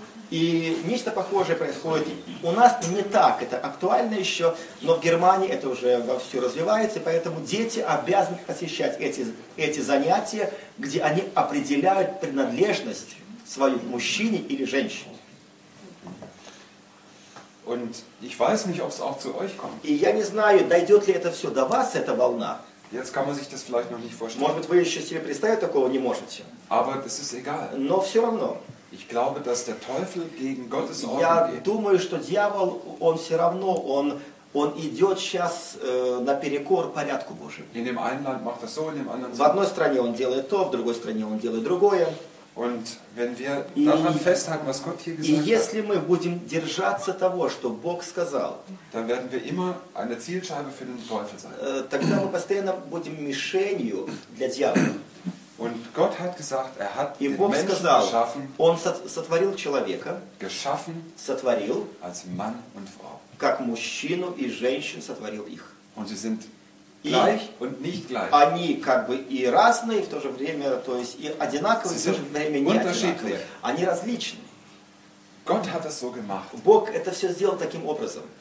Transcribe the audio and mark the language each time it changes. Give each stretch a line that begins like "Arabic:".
Russian: И нечто похожее происходит. У нас не так это актуально еще, но в Германии это уже вовсю развивается, поэтому дети обязаны посещать эти занятия, где они определяют принадлежность свою мужчине или женщине.
German: Und ich weiß nicht, ob es auch zu euch kommt.
Russian: И я не знаю, дойдет ли это все до вас, эта волна.
German: Jetzt kann man sich das vielleicht noch nicht vorstellen.
Russian: Может быть, вы еще себе представить такого не можете.
German: Aber das ist egal.
Russian: Но все равно.
German: Ich glaube, dass der Teufel gegen Gottes Ordnung
Russian: Я думаю, что дьявол, он все равно, он идет сейчас наперекор порядку Божьему. So, в одной стране он делает то, в другой стране он делает другое.
German: Und wenn wir daran festhalten, was Gott hier gesagt
Russian: и если мы будем держаться того, что Бог сказал,
German: dann werden wir immer eine Zielscheibe für den Teufel sein.
Russian: Тогда мы постоянно будем мишенью для дьявола.
German: Und Gott hat gesagt, hat
Russian: и Бог
German: Menschen
Russian: сказал,
German: geschaffen,
Russian: Он сотворил человека,
German: geschaffen,
Russian: сотворил,
German: als Mann und Frau.
Russian: Как мужчину и женщину сотворил их.
German: Und sie sind gleich und nicht gleich.
Russian: Они как бы и разные, в то же время, то есть и одинаковые, в то же время не одинаковые. Они различны.
German: Gott hat das so gemacht.
Russian: Бог это все сделал таким образом.